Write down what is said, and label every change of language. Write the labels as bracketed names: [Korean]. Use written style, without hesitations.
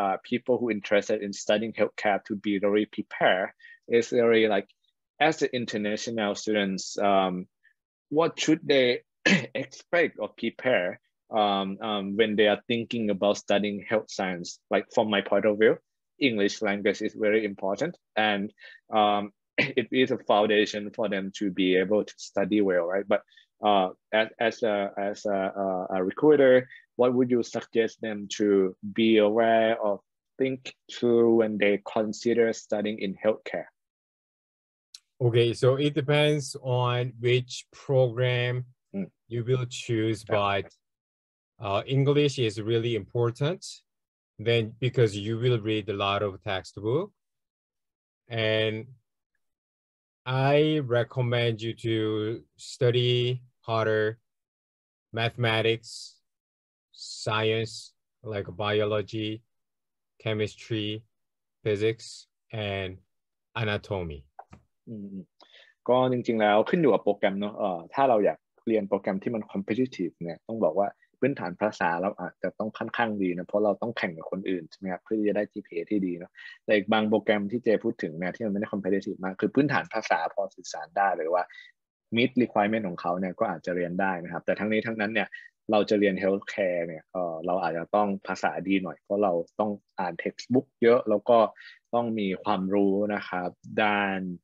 [English] people who interested in studying healthcare to be very prepared is very like as the international students what should they expect or prepare when they are thinking about studying health science like from my point of view English language is very important and it is a foundation for them to be able to study well, right? But as a recruiter, what would you suggest them to be aware of, think through when they consider studying in healthcare? Okay, so it depends on which program you will choose, but English is really important then because you will read a lot of textbook and I recommend you to study harder mathematics, science, like biology, chemistry, physics, and anatomy. [Thai] ก็จริงๆแล้วขึ้นอยู่กับโปรแกรมเนาะถ้าเราอยากเรียนโปรแกรมที่มัน competitive เนี่ยต้องบอกว่าพื้นฐานภาษาเราอาจจะต้องค่อนข้างดีนะเพราะเราต้องแข่งกับคนอื่นใช่ไหมครับเพื่อจะได้ GPA ที่ดีเนาะแต่อีกบางโปรแกรมที่เจพูดถึงเนี่ยที่มันไม่ได้ competitive มากคือพื้นฐานภาษาพอสื่อสารได้หรือว่า meet requirement ของเขาเนี่ยก็อาจจะเรียนได้นะครับแต่ทั้งนี้ทั้งนั้นเนี่ยเราจะเรียน healthcare เนี่ยเราอาจจะต้องภาษาดีหน่อยเพราะเราต้องอ่าน textbook เยอะแล้วก็ต้องมีความรู้นะครับด้าน